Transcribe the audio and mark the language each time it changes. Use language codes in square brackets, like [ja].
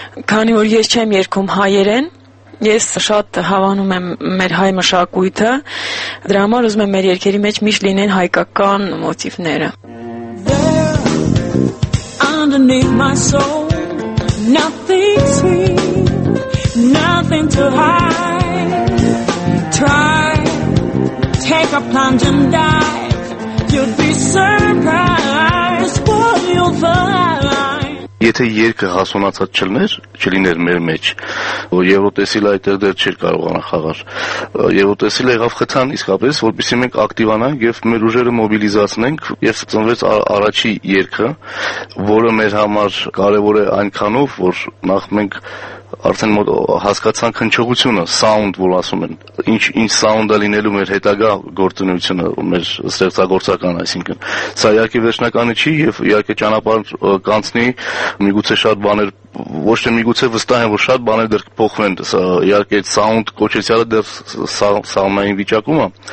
[hy] քանի որ ես չեմ երգում հայերեն, ես շատ հավանում եմ մեր հայ մշակույթը, դրա համար ուզում եմ մեր երգերի մեջ միշտ լինեն հայկական մոտիվները։ [en] Underneath my soul, nothing sweet, nothing to hide. Try, take a plunge and dive. You'd be surprised what you'll find. [hy] Եթե երկը հասունացած չլներ, չլիներ մեր մեջ, որ Եվրոտեսիլը այդտեղ դեռ չէր կարողանա խաղալ, Եվրոտեսիլը եղավ խթան իսկապես, որպեսզի մենք ակտիվանանք եւ մեր ուժերը մոբիլիզացնենք, եւ ծնվեց առաջի երգը, որը մեր համար կարեւոր է այնքանով, որ նախ մենք արդեն մոտ հասկացանք հնչողությունը, սաունդ, որ ասում են, ինչ սաունդը լինելու մեր հետագա գործունեությունը, մեր ստեղծագործական, այսինքն սա իհարկե վերջնականը չի, եւ իհարկե ճանապարհ կանցնի, միգուցե շատ բաներ, ոչ թե միգուցե վստահ են, որ շատ բաներ դեռ կփոխվեն, իհարկե այդ սաունդ կոչեցյալը դեռ սաունդային վիճակում է,